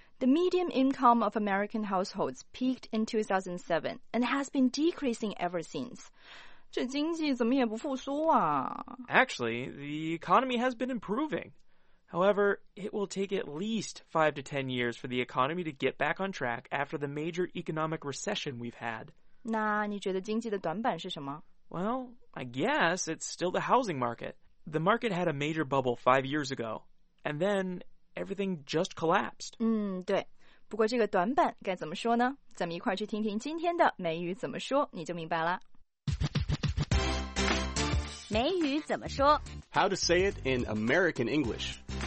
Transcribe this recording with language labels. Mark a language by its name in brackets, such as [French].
[English] The median income of American households peaked in 2007 and has been decreasing ever since. [Chinese] 这经济怎么也不复苏啊。 [English] Actually, the economy has been improving. However, it will take at least 5 to 10 years for the economy to get back on track after the major economic recession we've had. [Chinese] 那你觉得经济的短板是什么？ [English] Well, I guess it's still the housing market. The market had a major bubble 5 years ago. And then everything just collapsed. [Chinese] 对。不过这个短板该怎么说呢？咱们一块儿去听听今天的美语怎么说，你就明白了。美语怎么说 [English] ？How to say it in American English?